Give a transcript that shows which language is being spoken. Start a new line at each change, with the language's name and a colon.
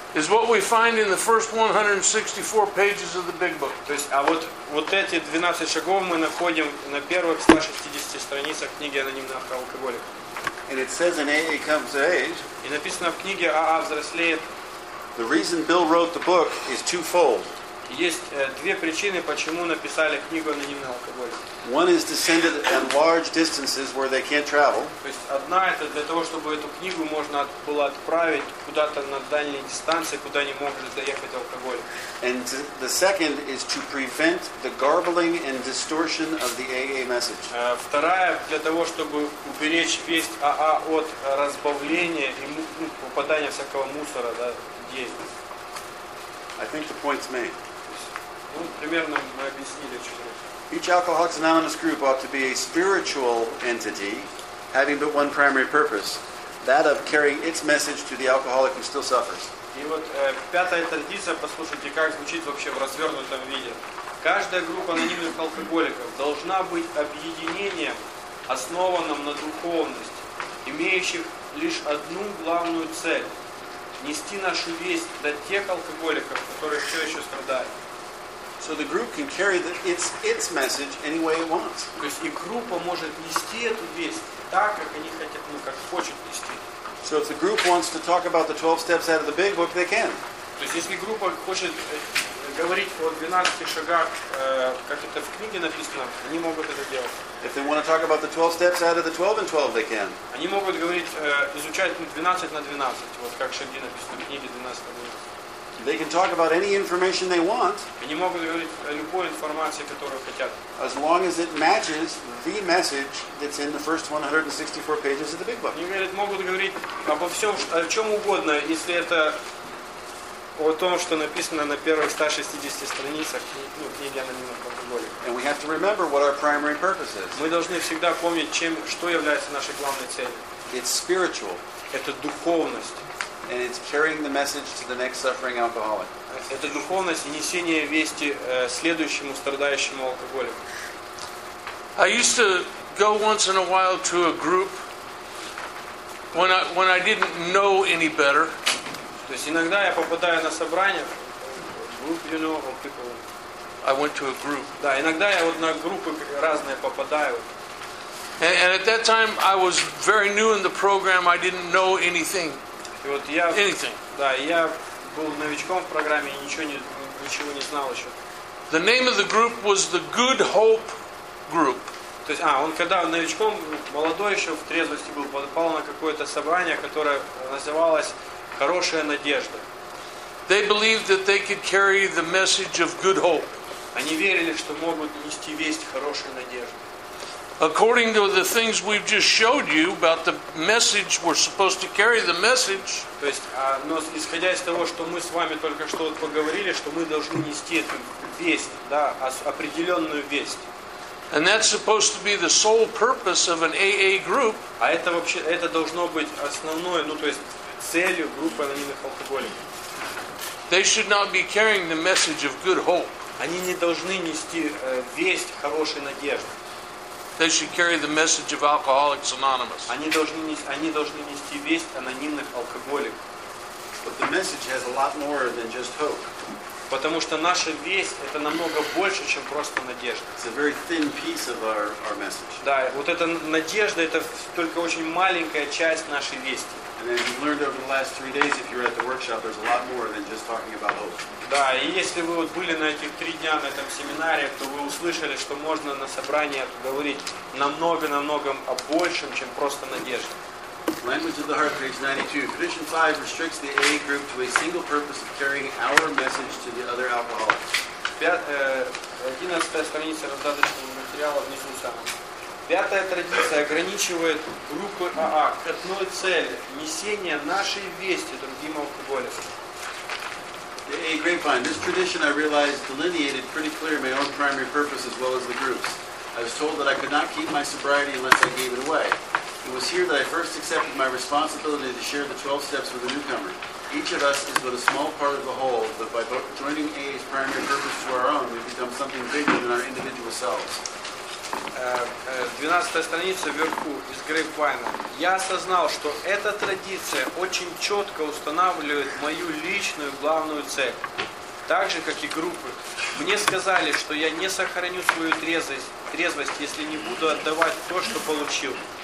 English: Is what we find in the first 164 pages of the big book.
Russian: То есть, а вот, вот эти 12 шагов мы находим на первых 160 страницах книги анонимных алкоголик.
English: And it says in AA comes to age.
Russian: И написано в книге АА взрослеет.
English: The reason Bill wrote the book is twofold.
Russian: Есть две причины, почему написали книгу «Анонимный алкоголик».
English: One is to send it at large distances where they can't travel.
Russian: То есть одна – это для того, чтобы эту книгу можно было отправить куда-то на дальние дистанции, куда не может доехать алкоголик.
English: And the second is to prevent the garbling and distortion of the AA message.
Russian: Вторая – для того, чтобы уберечь весть АА от разбавления и, ну, попадания всякого мусора, да, где-то.
English: I think the point's made.
Russian: Ну, примерно мы объяснили.
English: Each Alcoholics Anonymous group ought to be a spiritual entity, having but one primary purpose, that of carrying its message to the alcoholic who still suffers.
Russian: И вот пятая традиция, послушайте, как звучит вообще в развернутом виде. Каждая группа анонимных алкоголиков должна быть объединением, основанным на духовности, имеющих лишь одну главную цель. Нести нашу весть до тех алкоголиков, которые все еще страдают.
English: So the group can carry its message any way it wants.
Russian: То есть и группа может нести эту весть так, как они хотят, ну как хочет нести.
English: So if the group wants to talk about the 12 steps out of the big book, they can.
Russian: То есть если группа хочет говорить о 12 шагах, как это в книге написано, они могут это делать.
English: If they want to talk about the 12 steps out of the 12 and 12, they can.
Russian: Они могут говорить, изучать 12 на 12, вот как шаги написано в книге 12 на 12.
English: They can talk about any information they want.
Russian: Они могут говорить о любой информации, которую хотят.
English: As long as it matches the message that's in the first 164 pages of the big book.
Russian: Они говорят, могут говорить обо всем, о чем угодно, если это о том, что написано на первых 160 страницах, ну, книги анонимных алкоголиков.
English: And we have to remember what our primary purpose is.
Russian: Мы должны всегда помнить, чем, что является нашей главной целью.
English: It's spiritual.
Russian: Это духовность.
English: And it's carrying the message to the next suffering alcoholic.
Russian: Это духовность и несение вести следующему страдающему алкоголику.
English: I used to go once in a while to a group when I didn't know any better.
Russian: То есть иногда я попадаю на собрание.
English: Group, you know, of people. I went to a group.
Russian: Да, иногда я вот на группы разные попадаю.
English: And at that time I was very new in the program. I didn't know anything.
Russian: И вот я, да, я был новичком в программе и ничего не знал еще.
English: The name of the group was the Good Hope Group.
Russian: То есть, он когда новичком, молодой еще, в трезвости был, попал на какое-то собрание, которое называлось «Хорошая надежда».
English: They believed that they could carry the message of good hope.
Russian: Они верили, что могут нести весть хорошей надежды.
English: According to the things we've just showed you about the message we're supposed to carry, the message.
Russian: То есть, но исходя из того, что мы с вами только что вот поговорили, что мы должны нести эту весть, да, определенную весть.
English: And that's supposed to be the sole purpose of an AA group.
Russian: А это вообще, это должно быть основной, ну то есть целью группы анонимных алкоголиков.
English: They should not be carrying the message of good hope.
Russian: Они не должны нести весть хорошей надежды.
English: They should carry the message of Alcoholics Anonymous.
Russian: Они должны нести весть анонимных алкоголиков.
English: But the message has a lot more than just hope.
Russian: Потому что наша весть это намного больше, чем просто надежда.
English: It's a very thin piece of our message.
Russian: Да, вот эта надежда это только очень маленькая часть нашей вести.
English: And as you've learned over the last three days, if you're at the workshop, there's a lot more than just talking about hope.
Russian: Да, и если вы вот были на этих три дня на этом семинаре, то вы услышали, что можно на собрании говорить намного-намного о большем, чем просто надежда.
English: Language of the Heart, page 92. Tradition 5 restricts the AA group to a single purpose of carrying our message to the other alcoholics.
Russian: 11-я страница раздаточного материала внизу сам. Пятая традиция ограничивает группу АА к одной цели – несение нашей вести другим алкоголикам.
English: Hey, Grapevine, this tradition, I realized, delineated pretty clearly my own primary purpose as well as the group's. I was told that I could not keep my sobriety unless I gave it away. It was here that I first accepted my responsibility to share the 12 steps with a newcomer. Each of us is but a small part of the whole, but by joining AA's primary purpose to our own, we become something bigger than our individual selves.
Russian: 12-я страница вверху из Грейпвайна. Я осознал, что эта традиция очень четко устанавливает мою личную главную цель. Так же, как и группы. Мне сказали, что я не сохраню свою трезвость, если не буду отдавать то, что получил.